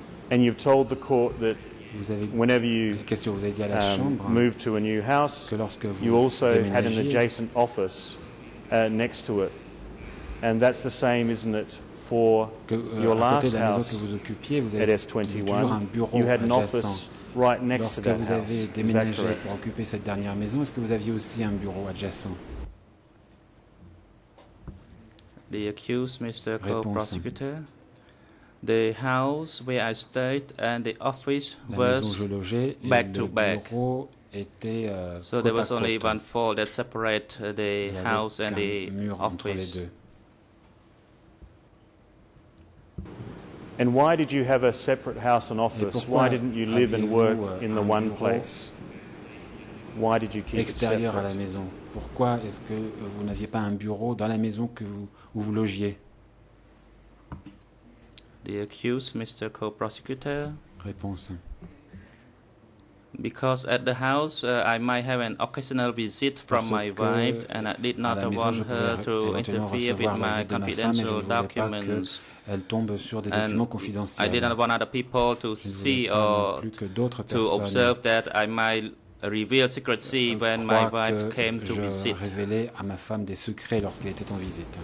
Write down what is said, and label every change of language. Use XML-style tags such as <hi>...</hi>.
<en>And you've told the court that whenever you moved to a new house, you also had an adjacent office next to it. And that's the same, isn't it, for your last house at S21. You had an office right next to that house. Is that correct?</en> <fr>Lorsque vous avez occupé cette dernière maison, est-ce que vous aviez aussi un bureau adjacent?</fr> <en>The accused, Mr. Co-Prosecutor. The house where I stayed and the office was back to back. So there was only one wall that separated the house and the office. And why did you have a separate house and office? Why didn't you live and work in the one place? Why did you keep it separate?</en> <fr>À la maison. Pourquoi est-ce que vous n'aviez pas un bureau dans la maison que vous, où vous logiez?</fr> <en>The accused, Mr. Co-Prosecutor.</en> <fr>Réponse.</fr> <en>Because at the house, I might have an occasional visit from my wife, and I did not want her to interfere with my confidential</en> <fr>documents. Elle tombe sur des documents confidentiels.</fr> <en>I did not want other people to see or to observe that I might reveal secrecy when my wife came to visit.</en> <fr>Je révélais à ma femme des secrets lorsqu'elle était en visite.</fr>